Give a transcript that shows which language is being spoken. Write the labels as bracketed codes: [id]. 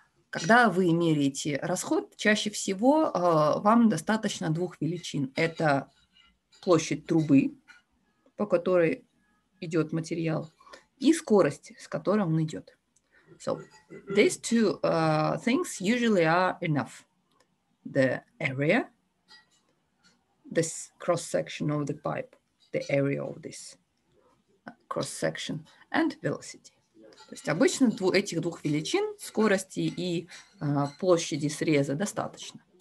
[ru] Когда вы меряете расход, чаще всего вам достаточно двух величин. Это площадь трубы, по которой идет материал, и скорость, с которой он идет. [en] So these two things usually are enough. The area, this cross-section of the pipe, the area of this cross-section, and velocity. [ru] То есть обычно этих двух величин, скорости и площади среза, достаточно.